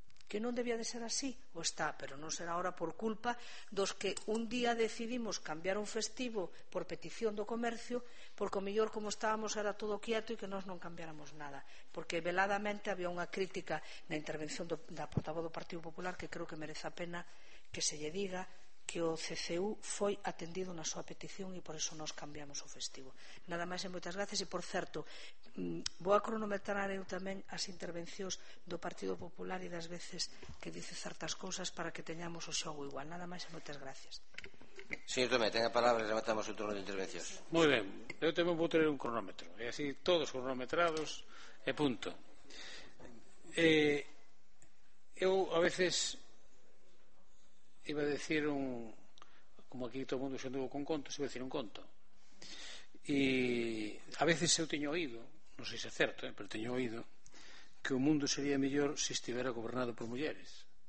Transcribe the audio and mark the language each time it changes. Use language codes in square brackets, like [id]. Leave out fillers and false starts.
[gl] Que non debía de ser así, o está, pero non será ahora por culpa dos que un día decidimos cambiar un festivo por petición do comercio, porque o mellor como estábamos era todo quieto e que nós non cambiáramos nada, porque veladamente había unha crítica na intervención da portavoz do Partido Popular, que creo que merece a pena que se lle diga que o CCU foi atendido na súa petición e por eso nos cambiamos o festivo. Nada máis e moitas gracias. E por certo, vou a cronometrar eu tamén as intervencións do Partido Popular e das veces que dice certas cousas para que teñamos o xogo igual. Nada máis e moitas gracias. [es] Señor Tomé, tenga palabra y rematamos el turno de intervenciones. Muy bien, yo también voy a tener un cronómetro. Y así todos cronometrados y punto. Eu a veces iba a decir un, como aquí todo el mundo se anduvo con contos, iba a decir un conto. Y a veces [gl] eu teño oído, non sei se é certo, pero teño oído, que o mundo sería mellor se estivera gobernado por mulleres.